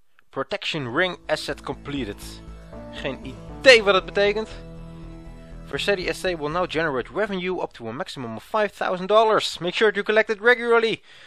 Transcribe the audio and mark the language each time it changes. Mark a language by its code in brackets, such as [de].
[en] Protection ring asset completed. [nl] Geen idee wat het betekent. [en] Versetti SA will now generate revenue up to a maximum of $5,000. Make sure to collect it regularly.